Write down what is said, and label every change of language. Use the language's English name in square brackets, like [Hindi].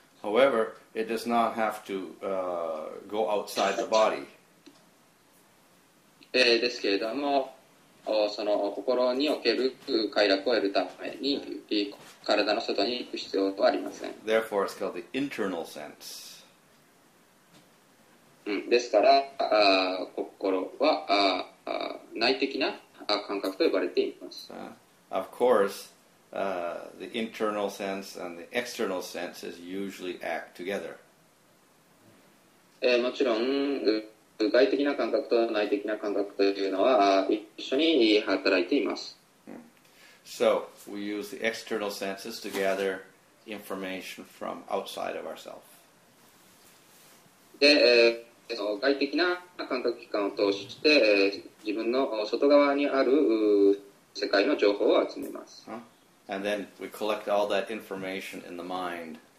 [English] However, it does not have to go outside the body. [Japanese] ですけれどもその心における快楽を得るために体の外に行く必要はありません。 [English] Therefore, it's called the internal sense. [Japanese] ですから心は内的な感覚と呼ばれています。 [English] Of course, the internal sense and the external sense is usually act together. [Japanese] もちろん外的な感覚と内的な感覚というのは一緒に働いています。 [English] So, we use the external senses to gather information from outside of ourselves. [Japanese] で、外的な感覚器官を通して自分の外側にある世界の情報を集めます。 [English] And then we collect all that information in the mind.